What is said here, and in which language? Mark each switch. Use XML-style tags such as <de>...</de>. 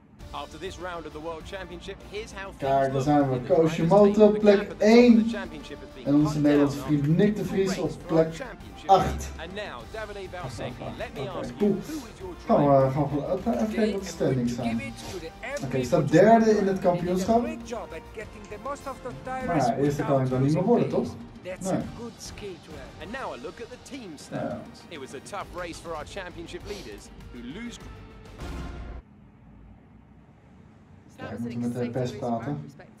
<en>After this round of the World Championship, here's how things</en> <nl>look. Kijk, daar zijn we. Koosje Motor, plek 1. En onze Nederlandse vriend Nick de Vries op plek 8. Gaan we even wat standing zijn. Oké, ik sta derde in het kampioenschap. Maar ja, eerste kan ik dan niet meer worden, toch?</nl> <en>That's a good ski to have. And now a look at the team standings. It was a tough race for our championship leaders who lose.</en> <nl>Ja, ik moet met de pers praten.</nl>